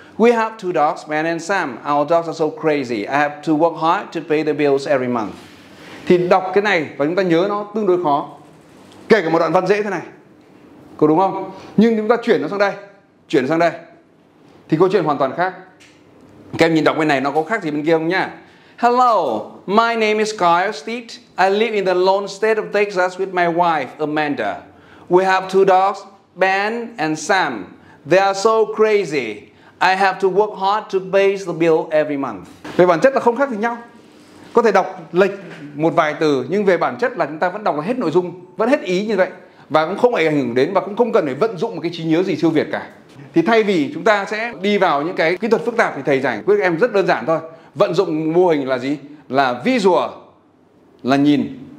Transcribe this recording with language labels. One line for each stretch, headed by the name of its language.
English: We have two dogs, Ben and Sam. Our dogs are so crazy. I have to work hard to pay the bills every month.
Vietnamese: Thì đọc cái này và chúng ta nhớ nó tương đối khó. Kể cả một đoạn văn dễ thế này. Có đúng không? Nhưng chúng ta chuyển nó sang đây. Chuyển sang đây. Thì câu chuyện hoàn toàn khác. Các em nhìn đọc bên này nó có khác gì bên kia không nhá?
English: Hello, my name is Kyle Steed. I live in the lone state of Texas with my wife, Amanda. We have two dogs, Ben and Sam. They are so crazy. I have to work hard to pay the bill every month.
Vietnamese: Về bản chất là không khác gì nhau. Có thể đọc lệch một vài từ, nhưng về bản chất là chúng ta vẫn đọc hết nội dung, vẫn hết ý như vậy. Và cũng không ảnh hưởng đến và cũng không cần phải vận dụng một cái trí nhớ gì siêu việt cả. Thì thay vì chúng ta sẽ đi vào những cái kỹ thuật phức tạp thì thầy giải quyết em rất đơn giản thôi. Vận dụng mô hình là gì? Là visual, là nhìn.